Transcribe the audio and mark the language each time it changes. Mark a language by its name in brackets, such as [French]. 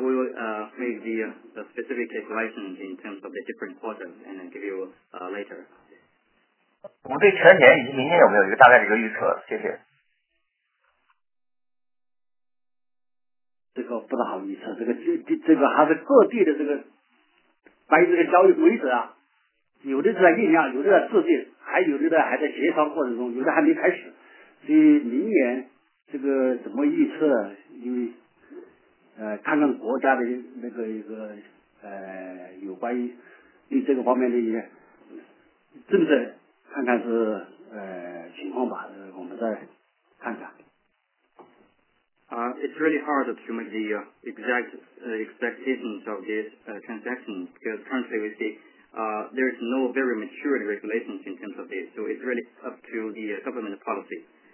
[English] We will make the specific calculations in terms of the different quarters and then give you later. [Chinese] 我对全年以及明年有没有一个大概的一个预测？谢谢。这个不大好预测，这个还是各地的这个关于这个交易规则啊，有的是在酝酿，有的在制定，还有的还在协商过程中，有的还没开始。所以明年这个怎么预测？因为看看国家的那个一个有关于对这个方面的一些政策，看看是情况吧，我们再看看。 [English] It's really hard to make the exact expectations of this transaction because currently we see there is no very mature regulations in terms of this, so it's really up to the government policy.